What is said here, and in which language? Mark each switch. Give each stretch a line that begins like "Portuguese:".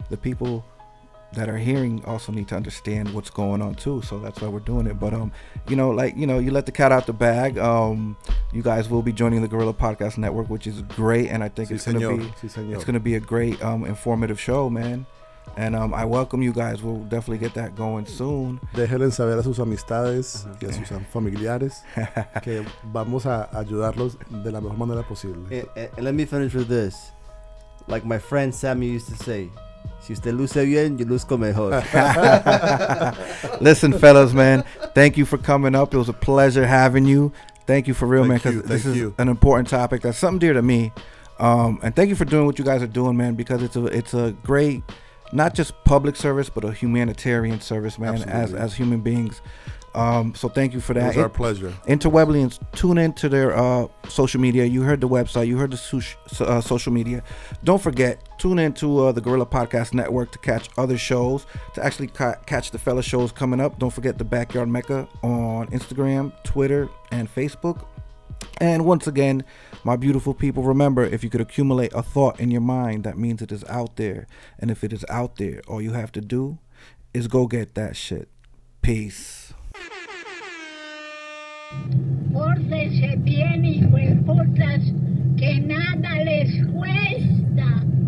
English: The people that are hearing also need to understand what's going on too, so that's why we're doing it. But you know, like, you know, you let the cat out the bag. You guys will be joining the Gorilla Podcast Network, which is great, and I think it's gonna be a great informative show, man. And I welcome you guys. We'll definitely get that going soon.
Spanish: Déjenle saber a sus amistades y a sus familiares que vamos a ayudarlos de la mejor manera posible.
English: And let me finish with this. Like my friend Sammy used to say,
Spanish: Si usted luce bien, yo luzco mejor.
English: Listen, fellas, man, thank you for coming up. It was a pleasure having you. Thank you for real, thank man, because this is you. An important topic. That's something dear to me. And thank you for doing what you guys are doing, man, because it's a great, not just public service, but a humanitarian service, man, as human beings. So thank you for that. It was our pleasure. Interweblians, tune in to their social media. You heard the website. You heard the social media. Don't forget, tune in to the Gorilla Podcast Network to catch other shows, to actually catch the fella shows coming up. Don't forget the Backyard Mecca on Instagram, Twitter, and Facebook. And once again, my beautiful people, remember, if you could accumulate a thought in your mind, that means it is out there. And if it is out there, all you have to do is go get that shit. Peace.
Spanish: Pórtense bien, hijo de putas, que nada les cuesta.